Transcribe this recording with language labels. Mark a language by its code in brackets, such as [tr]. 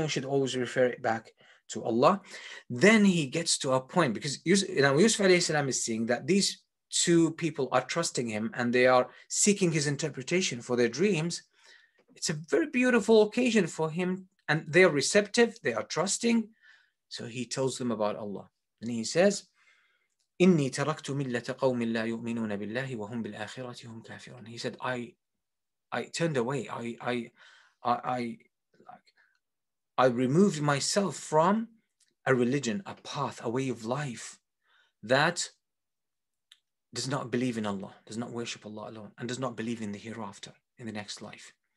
[en] We should always refer it back to Allah. Then he gets to a point, because Yusuf alayhi salam is seeing that these two people are trusting him and they are seeking his interpretation for their dreams. It's a very beautiful occasion for him, and they are receptive, they are trusting. So he tells them about Allah. And he says, [ar] إِنِّي تَرَكْتُ مِلَّةَ قَوْمٍ لَّا يُؤْمِنُونَ بِاللَّهِ وَهُمْ بِالْآخِرَةِ هُمْ كَافِرُونَ. [en] He said, I turned away. I removed myself from a religion, a path, a way of life that does not believe in Allah, does not worship Allah alone, and does not believe in the hereafter, in the next life.